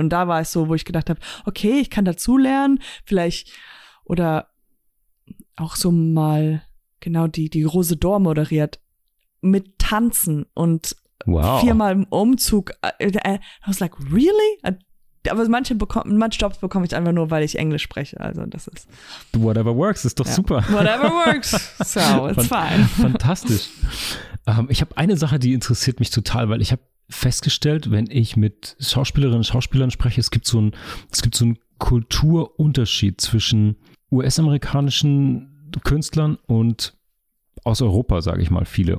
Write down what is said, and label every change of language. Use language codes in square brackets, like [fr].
[de] Und da war es so, wo ich gedacht habe, okay, ich kann dazulernen, vielleicht, oder auch so mal genau die Rose Dor moderiert mit Tanzen und viermal im Umzug. I was like, really? Aber manche Jobs bekomme ich einfach nur, weil ich Englisch spreche. Also das ist... Whatever works, ist doch super. [en] Whatever works, so it's fine. [de] Fantastisch. Ich habe eine Sache, die interessiert mich total, weil ich habe festgestellt, wenn ich mit Schauspielerinnen und Schauspielern spreche, es gibt so einen Kulturunterschied zwischen US-amerikanischen Künstlern und aus Europa, sage ich mal, viele.